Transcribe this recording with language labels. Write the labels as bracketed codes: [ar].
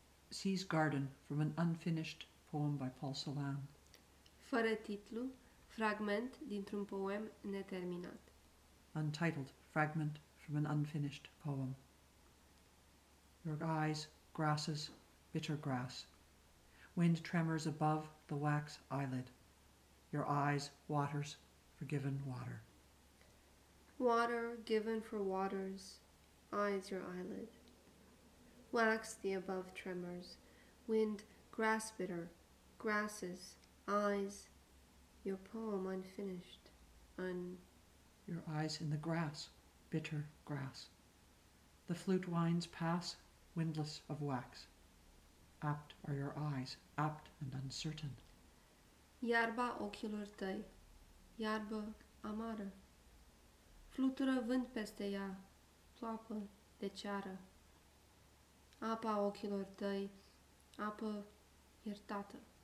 [en] Sea's Garden from an unfinished poem by Paul Celan. [ro] Fără titlu, fragment dintr-un poem neterminat. [en] Untitled, fragment from an unfinished poem. Your eyes, grasses, bitter grass. Wind tremors above the wax eyelid. Your eyes, waters, forgiven water. Water given for waters, eyes your eyelid. Wax the above tremors, wind grass bitter, grasses, eyes, your poem unfinished, Your eyes in the grass, bitter grass. The flute winds pass, windless of wax. Apt are your eyes, apt and uncertain. [ro] Iarba ochilor tăi, iarbă amară. Flutură vânt peste ea, ploapă de ceară. Apa ochilor tăi, apă iertată.